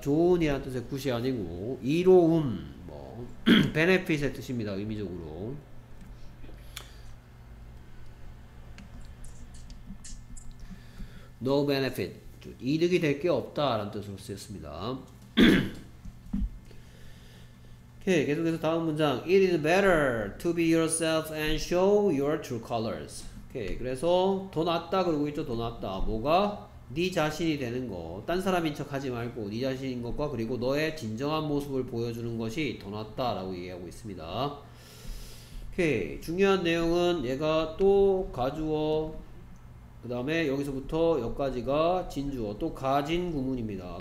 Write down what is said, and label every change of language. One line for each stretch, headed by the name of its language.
Korean: 좋은이라는 뜻의 굿이 아니고 이로움, 뭐 베네핏의 뜻입니다. 의미적으로. 노 베네핏, 이득이 될게 없다라는 뜻으로 쓰였습니다. 오케이, 계속해서 다음 문장.
English: It is better to be yourself and show your true colors.
Korean: 오케이, 그래서 더 낫다 그러고 있죠. 더 낫다. 뭐가? 네 자신이 되는 거. 딴 사람인 척 하지 말고 네 자신인 것과 그리고 너의 진정한 모습을 보여주는 것이 더 낫다라고 얘기하고 있습니다. 오케이, 중요한 내용은 얘가 또 가주어, 그 다음에 여기서부터 여기까지가 진주어, 또 가진 구문입니다.